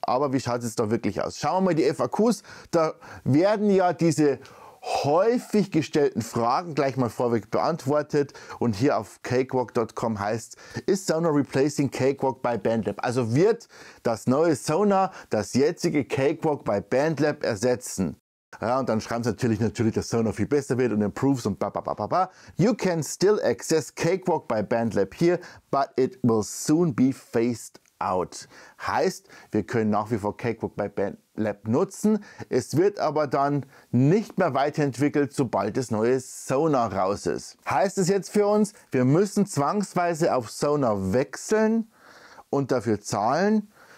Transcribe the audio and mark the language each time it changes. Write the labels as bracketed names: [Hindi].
[German] Aber wie schaut es da wirklich aus? Schauen wir mal die FAQs. Da werden ja diese häufig gestellten Fragen gleich mal vorweg beantwortet und hier auf cakewalk.com heißt, ist [English] Sona replacing Cakewalk by Bandlab? [German] Also wird das neue Sona das jetzige Cakewalk by Bandlab ersetzen? Ja, und dann schreiben sie natürlich, dass Sona viel besser wird und improves und bababababa. [English] You can still access Cakewalk by Bandlab here, but it will soon be phased out. [German] Heißt, wir können nach wie vor Cakewalk by Bandlab nutzen. Es wird aber dann nicht mehr weiterentwickelt, sobald das neue Sona raus ist. Heißt es jetzt für uns, wir müssen zwangsweise auf Sona wechseln und dafür zahlen?